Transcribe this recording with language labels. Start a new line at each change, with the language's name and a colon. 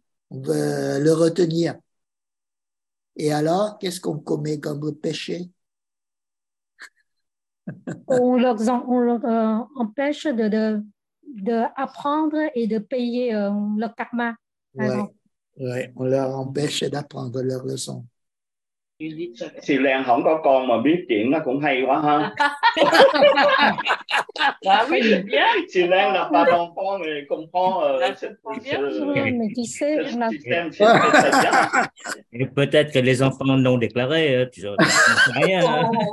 French: On veut le retenir. Et alors, qu'est-ce qu'on commet comme péché? On leur empêche d'apprendre et de payer le karma. Ouais, on leur empêche d'apprendre leur leçon.
Vietnamese: Si Lan không có con mà biết chuyện nó cũng hay quá ha.
French: Si Lan n'a pas d'enfant mais comprend cette. Et peut-être que les enfants l'ont déclaré, tu sais rien.